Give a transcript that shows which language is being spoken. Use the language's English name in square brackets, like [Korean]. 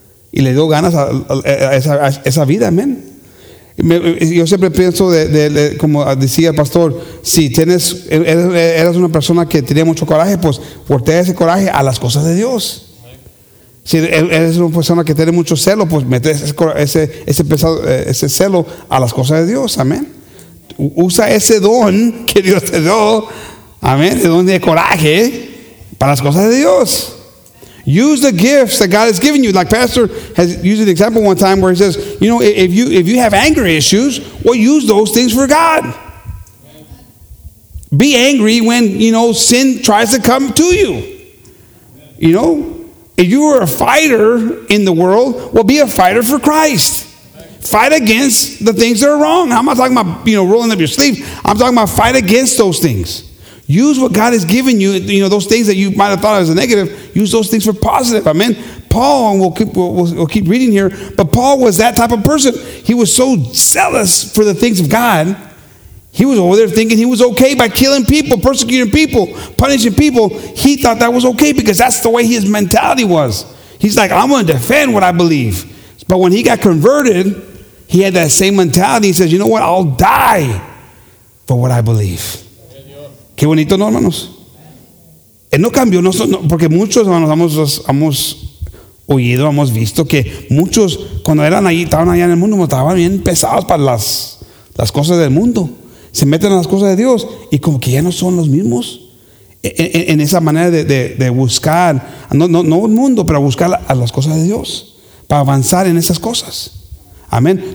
[Spanish] Y le dio ganas a esa vida, amén. Yo siempre pienso, como decía el pastor, si eras una persona que tenía mucho coraje, pues voltea ese coraje a las cosas de Dios. Si eres una persona que tiene mucho celo, pues mete ese pesado, ese celo a las cosas de Dios, amén. Usa ese don que Dios te dio, amén, el don de coraje, para las cosas de Dios. [English] Use the gifts that God has given you. Like Pastor has used an example one time where he says, you know, if you have anger issues, well, use those things for God. Be angry when, you know, sin tries to come to you. You know, if you are a fighter in the world, well, be a fighter for Christ. Fight against the things that are wrong. I'm not talking about, you know, rolling up your sleeves. I'm talking about fight against those things. Use what God has given you, you know, those things that you might have thought of as a negative, use those things for positive, amen? Paul, and we'll keep reading here, but Paul was that type of person. He was so zealous for the things of God, he was over there thinking he was okay by killing people, persecuting people, punishing people. He thought that was okay because that's the way his mentality was. He's like, I'm going to defend what I believe. But when he got converted, he had that same mentality. He says, you know what, I'll die for what I believe. [Spanish] Qué bonito, ¿no, hermanos? Él no cambió, no, porque muchos, hermanos, hemos oído, hemos visto que muchos, cuando eran allí, estaban allá en el mundo, estaban bien pesados para las cosas del mundo. Se meten en las cosas de Dios y como que ya no son los mismos. En esa manera de buscar, no el mundo, pero buscar a las cosas de Dios para avanzar en esas cosas. Amén.